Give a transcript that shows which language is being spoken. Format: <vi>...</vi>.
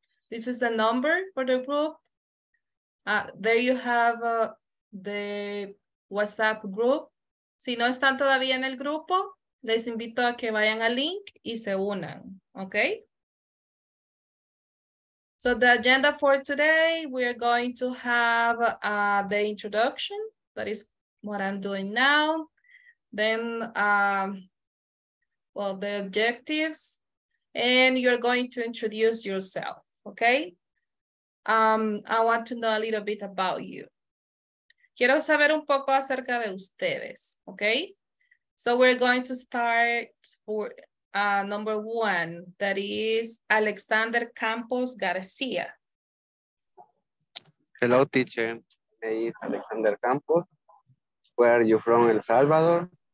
<en>This is the number for the group. There you have the WhatsApp group.</en> <es>Si no están todavía en el grupo, les invito a que vayan al link y se unan, okay?</es> <en>So the agenda for today, we are going to have the introduction. That is what I'm doing now. Then, well, the objectives, and you're going to introduce yourself, okay? I want to know a little bit about you.</en> <es>Quiero saber un poco acerca de ustedes, okay?</es> <en>So we're going to start for number one, that is Alexander Campos Garcia. Hello, teacher. My name is Alexander Campos. Where are you from, El Salvador?</en>